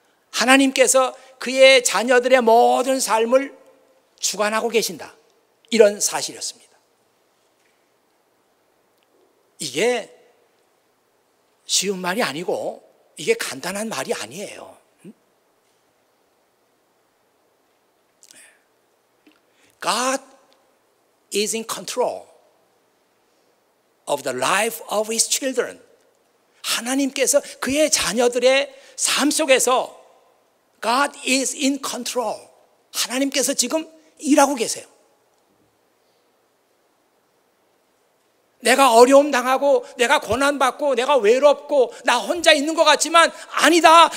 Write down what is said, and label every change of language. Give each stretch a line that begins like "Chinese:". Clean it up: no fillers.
Korean: 하나님께서 그의 자녀들의 모든 삶을 주관하고 계신다. 이런 사실이었습니다. 이게 쉬운 말이 아니고 이게 간단한 말이 아니에요. 응?
English: God is in control of the life of his children.
Korean: 하나님께서 그의 자녀들의 삶 속에서
English: God is in control.
Korean: 하나님께서 지금 일하고 계세요. 내가 어려움 당하고 내가 고난받고 내가 외롭고 나 혼자 있는 것 같지만 아니다.